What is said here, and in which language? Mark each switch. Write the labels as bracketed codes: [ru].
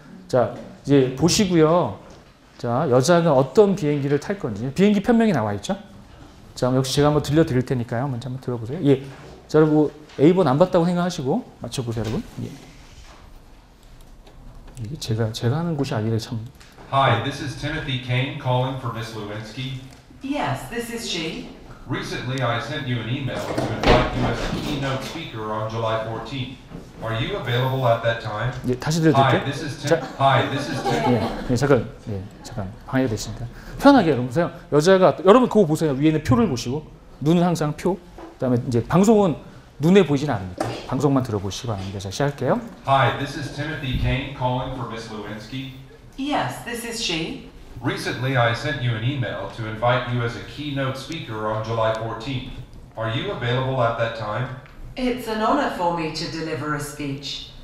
[ko] 자, 이제 보시고요. 자, 여자가 어떤 비행기를 탈 건지. 비행기 편명이 나와 있죠? 자, 역시 제가 한번 들려 드릴 테니까요. 먼저 한번 들어보세요. 예. 자, 여러분 A번 안 봤다고 생각하시고 맞춰보세요, 여러분. 예. 이게 제가 하는 곳이 아니라 참. [en] Hi, this is Timothy Kane calling for Miss Lewinsky. Yes, this is she. Recently, I sent you an email to invite you as a keynote speaker on July 14th. Are you available at that time? [ko] 예, 다시 들려드릴게요. [en] Hi, this is Tim. [ko] 예, 잠깐, 예, 잠깐 방해가 됐습니다. 편하게 여러분 보세요. 여자가 여러분 그거 보세요. 위에는 표를 보시고 눈은 항상 표. 그다음에 이제 방송은 눈에 보이진 않으니까 방송만 들어보시고 하는데 자 시작할게요. [en] Hi, this is Timothy Kane calling for Miss Lewinsky. Yes, this is she. Recently, I sent you an email to invite you as a keynote speaker on July 14th. Are you available at that time? It's an honor for me to deliver a speech.